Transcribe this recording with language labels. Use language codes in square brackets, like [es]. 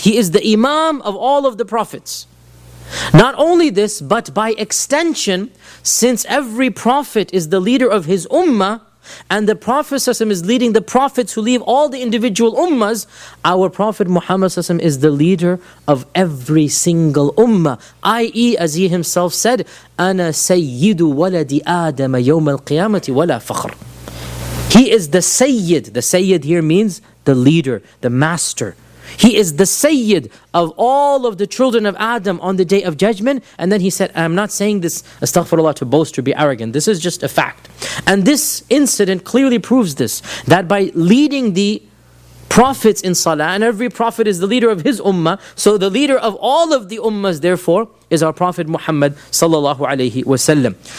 [en] He is the Imam of all of the Prophets. Not only this, but by extension, since every Prophet is the leader of his Ummah, and the Prophet ﷺ is leading the Prophets who leave all the individual Ummahs, our Prophet Muhammad ﷺ is the leader of every single Ummah. I.e., as he himself said, [ar] أَنَا سَيِّدُ وَلَدِ آدَمَ يَوْمَ الْقِيَامَةِ وَلَا فَخْرٌ. [en] He is the Sayyid. The Sayyid here means the leader, the master. He is the Sayyid of all of the children of Adam on the Day of Judgment. And then he said, I'm not saying this, astaghfirullah, to boast or be arrogant. This is just a fact. And this incident clearly proves this, that by leading the Prophets in Salah, and every Prophet is the leader of his Ummah, so the leader of all of the Ummahs, therefore, is our Prophet Muhammad sallallahu alayhi wa sallam.